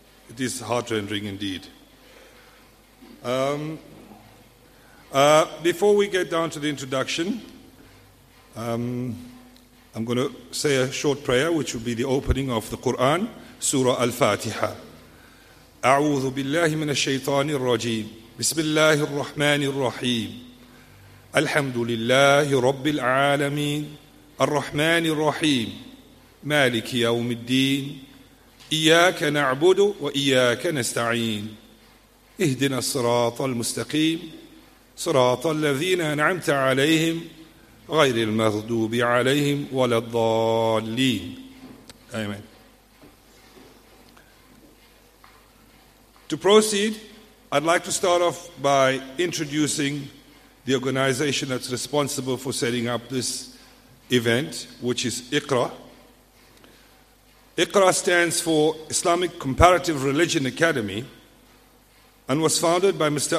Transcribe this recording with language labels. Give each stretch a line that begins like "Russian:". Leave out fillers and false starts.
English: It is heartrending indeed. Before we get down to the introduction, I'm going to say a short prayer, which will be the opening of the Quran, Surah Al-Fatiha.
Arabic: أعوذ بالله من الشيطان الرجيم بسم الله الرحمن الرحيم الحمد لله رب العالمين الرحمن الرحيم مالك يوم الدين إياك نعبد وإياك نستعين اهدنا الصراط المستقيم صراط الذين أنعمت عليهم غير المغضوب عليهم ولا الضالين آمين.
English: To proceed, I'd like to start off by introducing the organization that's responsible for setting up this event, which is ICRA. ICRA stands for Islamic Comparative Religion Academy and was founded by Mr.